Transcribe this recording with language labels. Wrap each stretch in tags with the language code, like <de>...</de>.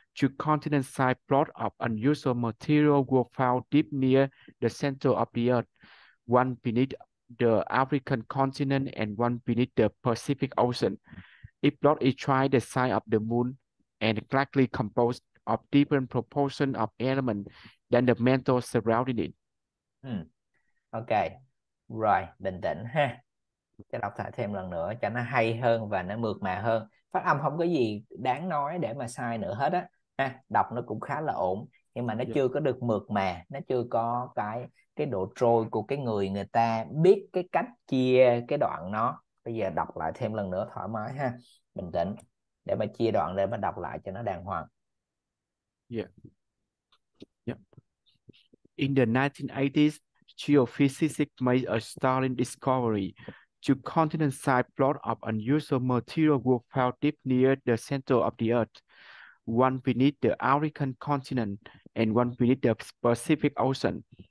<en>Two continent-sized blocks of unusual material were found deep near the center of the Earth, one beneath the African continent and one beneath the Pacific Ocean. Each block is twice the size of the moon and likely composed of different proportions of elements than the mantle surrounding it.</en> <vi>Ok, rồi, bình tĩnh ha. Cho đọc lại thêm lần nữa cho nó hay hơn và nó mượt mà hơn. Phát âm không có gì đáng nói để mà sai nữa hết á. Ha, đọc nó cũng khá là ổn, nhưng mà nó chưa có được mượt mà, nó chưa có cái độ trôi của cái người người ta biết cái cách chia cái đoạn nó. Bây giờ đọc lại thêm lần nữa thoải mái ha, bình tĩnh để mà chia đoạn để mà đọc lại cho nó đàng hoàng.</vi> <en>In the 1980s, geophysicists made a startling discovery. Two continent-sized blocks of unusual material were found deep near the center of the Earth, one beneath the African continent and one beneath the Pacific Ocean.</en>